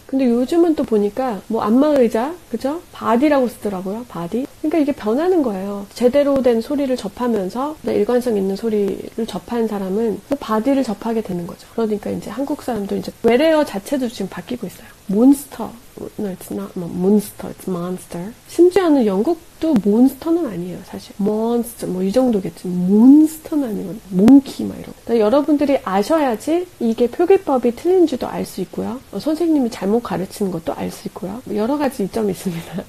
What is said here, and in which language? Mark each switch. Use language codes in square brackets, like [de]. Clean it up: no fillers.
[ko] 근데 요즘은 또 보니까 뭐 안마 의자, 그쵸? 바디라고 쓰더라고요. 바디. 그러니까 이게 변하는 거예요. 제대로 된 소리를 접하면서 일관성 있는 소리를 접한 사람은 바디를 접하게 되는 거죠. 그러니까 이제 한국 사람도 이제 외래어 자체도 지금 바뀌고 있어요. 몬스터. [en] No, it's not monster, it's monster. [ko] 심지어는 영국도 몬스터는 아니에요, 사실. 몬스터, 뭐, 이 정도겠지. 몬스터는 아니거든요. 몽키, 막 이러고. 여러분들이 아셔야지 이게 표기법이 틀린지도 알수 있고요. 선생님이 잘못 가르치는 것도 알수 있고요. 뭐 여러 가지 이점이 있습니다.